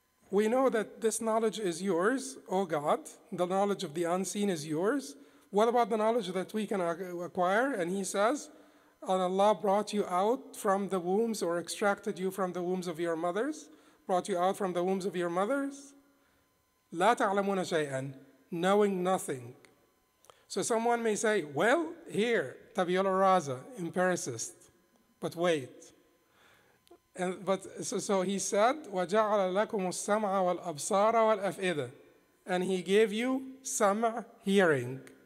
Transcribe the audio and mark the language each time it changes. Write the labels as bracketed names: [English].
[English] We know that this knowledge is yours, O God. The knowledge of the unseen is yours. What about the knowledge that we can acquire? And he says, and Allah brought you out from the wombs, or extracted you from the wombs of your mothers, brought you out from the wombs of your mothers. [Arabic] لا تعلمون شيئاً, [English] knowing nothing. So someone may say, well, here, tabula rasa, empiricist, but wait. And but so he said, [Arabic] وَجَعَلَ لَكُمُ السَّمْعَ وَالْأَبْصَارَ وَالْأَفْئِدَ. [English] And he gave you sam', hearing.